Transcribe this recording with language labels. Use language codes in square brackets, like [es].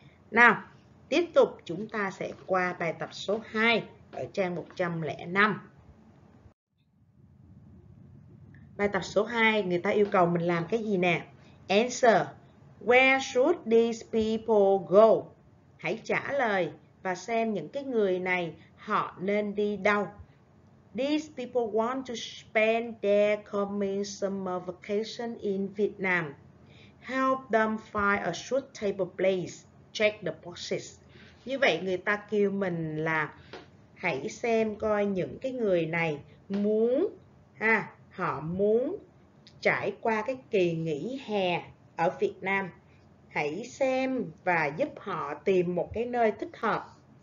[vi] Nào, tiếp tục chúng ta sẽ qua bài tập số 2 ở trang 105. Bài tập số 2, người ta yêu cầu mình làm cái gì nè? [en] Answer, where should these people go? [vi] Hãy trả lời và xem những cái người này họ nên đi đâu. [en] These people want to spend their coming summer vacation in Vietnam. Help them find a suitable place. Check the boxes. [vi] Như vậy người ta kêu mình là hãy xem coi những cái người này muốn, ha, họ muốn trải qua cái kỳ nghỉ hè ở Việt Nam. Hãy xem và giúp họ tìm một cái nơi thích hợp.